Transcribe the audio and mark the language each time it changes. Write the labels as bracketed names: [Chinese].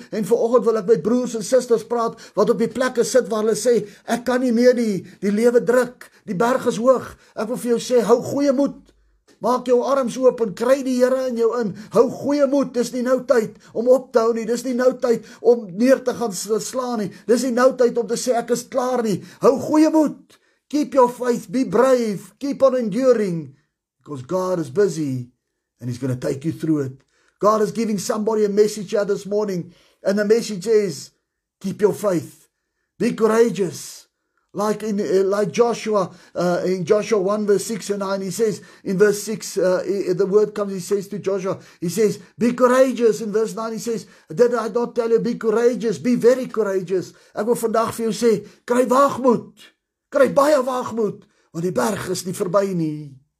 [Afrikaans] En vanoggend wil ek met broers en susters praat, wat op die plekke sit waar hulle sê, ek kan nie meer nie, die lewe druk, die berg is hoog. Ek wil vir jou sê, hou goeie moed. Maak jou arms oop en kry die Here in jou in. Hou goeie moed, dis nie nou tyd om op te hou nie. Dis nie nou tyd om neer te gaan slaan nie. Dis nie nou tyd om te sê ek is klaar nie. Hou goeie moed. [English] Keep your faith, be brave, keep on enduring. Because God is busy and he's going to take you through it. God is giving somebody a message here this morning. And the message is, keep your faith. Be courageous. Like Joshua, in Joshua 1 verse 6 and 9, he says, in verse 6, the word comes, he says to Joshua, he says, be courageous. In verse 9, he says, did I not tell you, be courageous, be very courageous. [Afrikaans] Ek wil vandag vir jou sê, kry waagmoed, kry baie waagmoed, want die berg is nie verby nie.